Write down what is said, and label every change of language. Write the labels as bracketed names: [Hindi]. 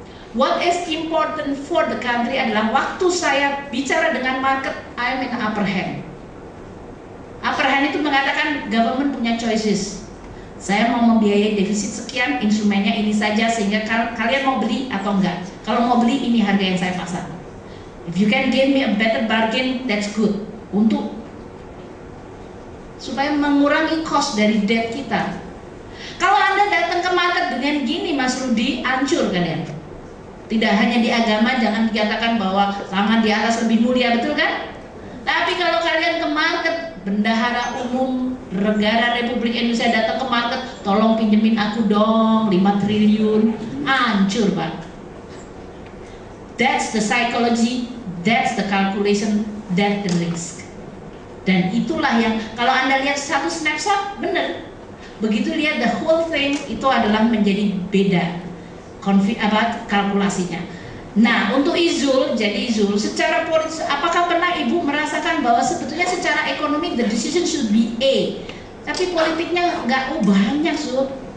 [English] What is important for the country [Indonesian] adalah waktu saya bicara dengan [English] market, I'm in upper hand. Upper hand [Indonesian] itu mengatakan government punya choices. Saya mau membiayai defisit sekian, instrumennya ini saja, sehingga kalian mau beli atau enggak. Kalau mau beli, ini harga yang saya pasang. [English] If you can give me a better bargain, that's good. [Indonesian] Untuk supaya mengurangi cost dari debt kita. Kalau Anda datang ke market dengan gini, Mas Rudy, hancur kalian. Tidak hanya di agama, jangan dikatakan bahwa tangan di atas lebih mulia, betul kan? Tapi kalau kalian ke market, bendahara umum negara Republik Indonesia datang ke market, tolong pinjemin aku dong 5 triliun, hancur Pak. [English] That's the psychology, that's the calculation, that's the risk. [Indonesian] Dan itulah yang kalau Anda lihat satu snapshot, benar. Begitu lihat [English] the whole thing, [Indonesian] itu adalah menjadi beda kalkulasinya. Nah, untuk Izul, jadi Izul, secara politis, apakah pernah Ibu merasakan bahwa sebetulnya secara ekonomi [English] the decision should be A, [Indonesian] tapi politiknya enggak, oh banyak, Sud.